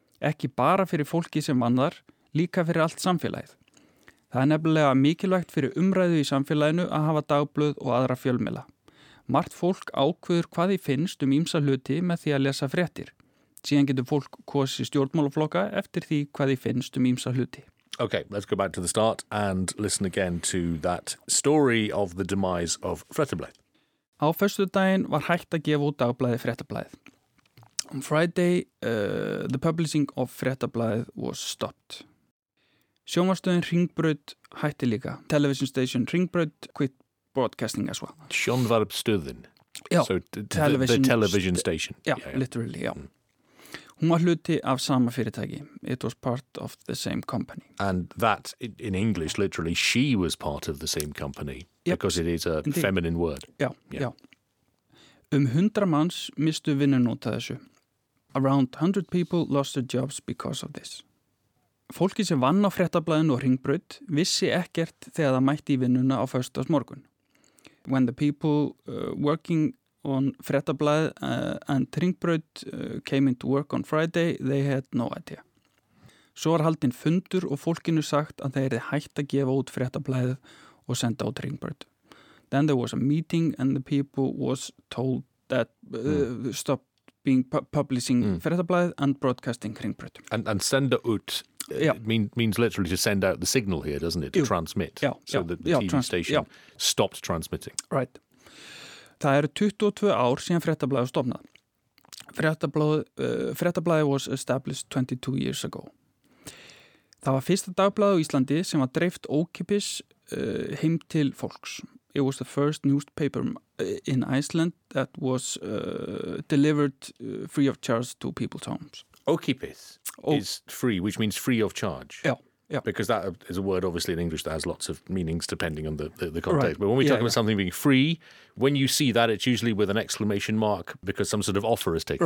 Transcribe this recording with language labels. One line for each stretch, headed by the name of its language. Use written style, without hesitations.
Icelandic: Ekki bara fyrir fólki sem vann þar, líka fyrir allt samfélagið. Það nefnilega mikilvægt fyrir umræðu í samfélaginu að hafa dagblöð og aðra fjölmiðla. Margt fólk ákveður hvað því finnst ýmsa hluti með því að lesa fréttir. Síðan getur fólk kosið stjórnmálaflokka eftir því hvað þið finnst ýmsa hluti.
English: Okay, let's go back to the start and listen again to that story of the demise of FRÉTTABLAÐIÐ.
Icelandic: Á föstudaginn var hætt að gefa út dagblaðið FRÉTTABLAÐIÐ.
English: On Friday, the publishing of FRÉTTABLAÐIÐ was stopped.
Icelandic: Sjónvarpsstöðin Hringbraut hætti líka.
English: Television station Hringbraut quit broadcasting as well.
Icelandic: Sjónvarpsstöðin. Já,
English: so the television station. Literally,
Icelandic: já. Hún var hluti af sama fyrirtæki.
English: It was part of the same company. And that, in English, literally, she was part of the same company. Yep. Because it is a feminine word.
Icelandic: Já. 100 manns mistu vinnun út af þessu.
English: Around 100 people lost their jobs because of this.
Icelandic: Fólki sem vann á FRÉTTABLAÐIÐ og Hringbraut vissi ekkert þegar það mætti í vinnuna á föstudagsmorgun.
English: When the people working on FRÉTTABLAÐIÐ and Hringbraut came into work on Friday, they had no idea.
Icelandic: Svo var haldin fundur og fólkinu sagt að þeir eru hætt að gefa út FRÉTTABLAÐIÐ og senda út Hringbraut.
English: Then there was a meeting and the people was told that stopped being publishing FRÉTTABLAÐIÐ and broadcasting Hringbraut. And senda út means literally to send out the signal here, doesn't it? To transmit. So the TV station stopped transmitting. Right.
Icelandic: Það eru 22 ár síðan FRÉTTABLAÐIÐ var stofnað.
English: FRÉTTABLAÐIÐ was established 22 years ago.
Icelandic: Það var fyrsta dagblaðið á Íslandi sem var dreift ókeypis heim til fólks.
English: It was the first newspaper in Iceland that was delivered free of charge to people's homes. Ókeypis is free, which means free of charge. Yeah. Because that is a word, obviously, in English that has lots of meanings depending on the context. Right. But when we talk about something being free, when you see that, it's usually with an exclamation mark because some sort of offer is taken.